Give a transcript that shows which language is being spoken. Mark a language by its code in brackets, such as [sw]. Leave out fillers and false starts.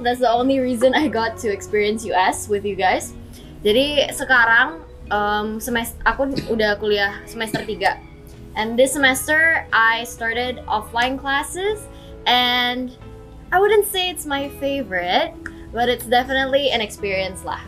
[en] That's the only reason I got to experience US with you guys. [id] Jadi sekarang aku udah kuliah semester 3. [en] And this semester I started offline classes, and I wouldn't say it's my favorite, but it's definitely an experience lah.